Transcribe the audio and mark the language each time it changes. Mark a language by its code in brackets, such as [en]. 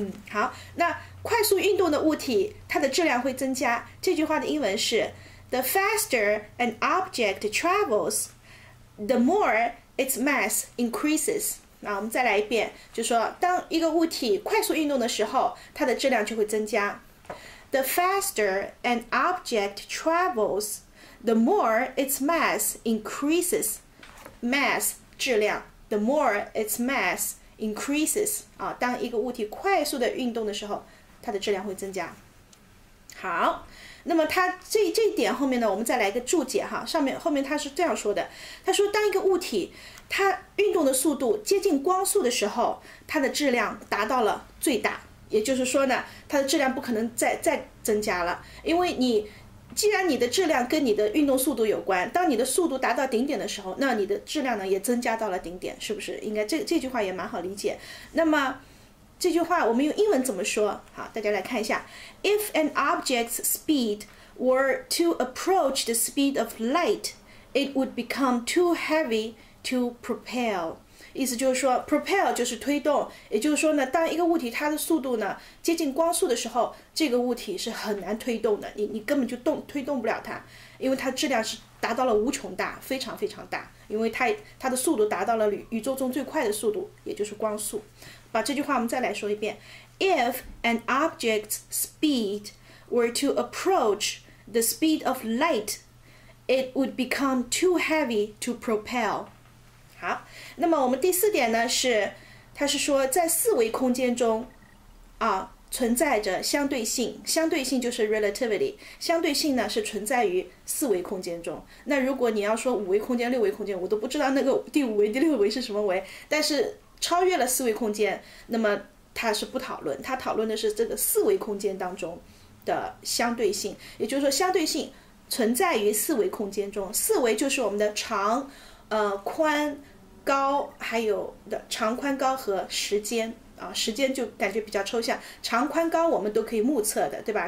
[zh] 好，那快速运动的物体，它的质量会增加。这句话的英文是： [en] The faster an object travels, the more its mass increases。 [zh] 那我们再来一遍，就说当一个物体快速运动的时候，它的质量就会增加。 [en] The faster an object travels, the more its mass increases. [zh] Mass 质量， [en] the more its mass increases [zh] 啊，当一个物体快速的运动的时候，它的质量会增加。好，那么它这一点后面呢，我们再来一个注解哈。上面后面它是这样说的，它说当一个物体它运动的速度接近光速的时候，它的质量达到了最大。也就是说呢，它的质量不可能再增加了，因为你既然你的质量跟你的运动速度有关，当你的速度达到顶点的时候，那你的质量呢也增加到了顶点，是不是？应该这句话也蛮好理解。那么这句话我们用英文怎么说？好，大家来看一下： [en] If an object's speed were to approach the speed of light, it would become too heavy to propel. [zh] 意思就是说，propel 就是推动，也就是说呢，当一个物体它的速度呢接近光速的时候，这个物体是很难推动的，你根本就推动不了它，因为它质量是达到了无穷大，非常非常大，因为它的速度达到了宇宙中最快的速度，也就是光速。把这句话我们再来说一遍： [en] If an object's speed were to approach the speed of light, it would become too heavy to propel. [zh] 好，那么我们第四点呢是，它是说在四维空间中，啊，存在着相对性，相对性就是 relativity， 相对性呢是存在于四维空间中。那如果你要说五维空间、六维空间，我都不知道那个第五维、第六维是什么维，但是超越了四维空间，那么它是不讨论，它讨论的是这个四维空间当中的相对性，也就是说相对性存在于四维空间中，四维就是我们的长、宽、高，还有的长、宽、高和时间啊，时间就感觉比较抽象，长、宽、高我们都可以目测的，对吧？